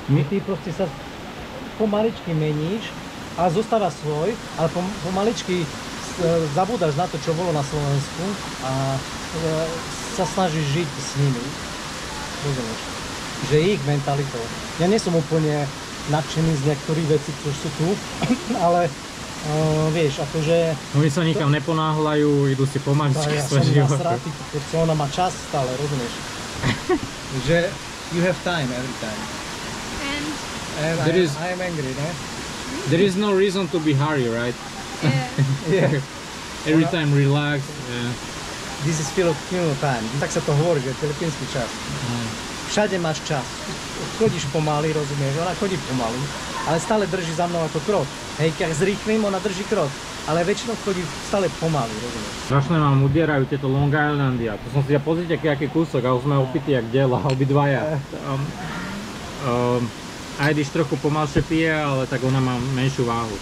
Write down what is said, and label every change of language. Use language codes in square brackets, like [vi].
[sk] Ty proste sa pomaličky meníš a zostáva svoj, ale pomaličky zabúdaš na to, čo bolo na Slovensku a sa snažíš žiť s nimi. Rozumieš? Že ich mentalitou. Ja nie som úplne nadšený z niektorých vecí, čo sú tu, ale vieš, akože... Oni sa nikam neponáhľajú, idú si pomaličky svoj život. Ja som nasratý, keďže ona má čas stále, rozumieš? Že [en] you have time every time. And there I am angry, ne? There is no reason to be hurry, right? Yeah. Every time relax. This is Filipino time. [sk] Tak sa to hovorí, že filipínsky čas. Všade máš čas. Chodíš pomaly, rozumieš? Ona chodí pomaly, ale stále drží za mnou ako krok. Hej, keď zrýchlim, ona drží krok. Ale väčšinou chodí stále pomaly, rozumieš? Strašne vám udierajú tieto Long Islandy. A to som si ja pozrite, aký kúsok. A už sme opití, jak dela, obidvaja. Aj když trochu pomalšie pije, ale tak ona má menšiu váhu.